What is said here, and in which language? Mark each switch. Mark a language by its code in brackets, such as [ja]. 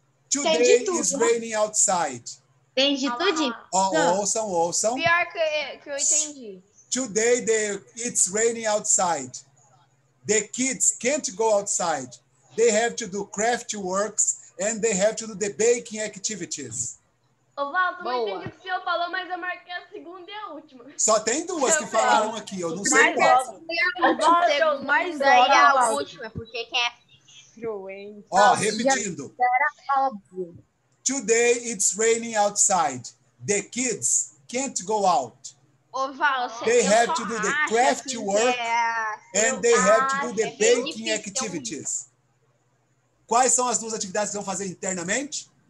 [en] Today is raining outside. [pt] Entendi tudo. Ouçam, ouçam. Pior que eu entendi. [en] Today it's raining outside. The kids can't go outside. They have to do craft works and they have to do the baking activities. [pt] Ovaldo, não entendi o que o senhor falou, mas eu marquei a segunda e a última. Só tem duas que falaram aqui, eu não sei qual. Ovaldo, mas é a última, porque quem é fruente. Ó, repetindo. [en] Today it's raining outside. The kids can't go out. Ovaldo, they have to do the craft work and they have to do the baking activities. [pt] Quais são as duas atividades que vão fazer internamente?